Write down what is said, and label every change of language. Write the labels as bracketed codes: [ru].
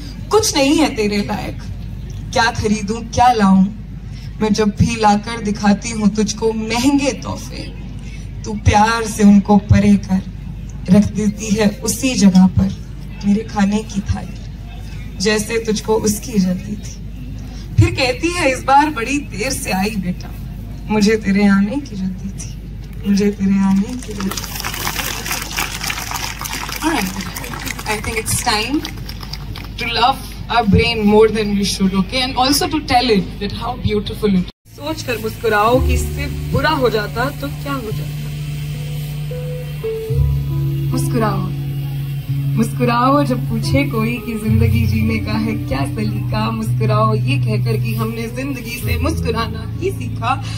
[hi] कुछ नहीं है तेरे लायक, क्या खरीदूं क्या लाऊं, मैं जब भी लाकर दिखाती हूं तुझको महंगे तोहफे, तू प्यार से उनको परे कर रख देती है उसी जगह पर मेरे खाने की थाली, जैसे तुझको उसकी जल्दी थी। फिर कहती है इस बार बड़ी देर से आई बेटा, मुझे तेरे आने की रद्दी थी, मुझे तेरे आने की रद्दी। [en] I think it's time to love our brain more than we should, okay? And also to tell it that how beautiful it is. [hi] सोच कर मुस्कुराओ कि इससे बुरा हो जाता तो क्या हो जाता? मुस्कुराओ जब पूछे कोई कि जिंदगी जीने का है क्या सलीका, मुस्कुराओ ये कहकर कि हमने जिंदगी से मुस्कुराना ही सीखा।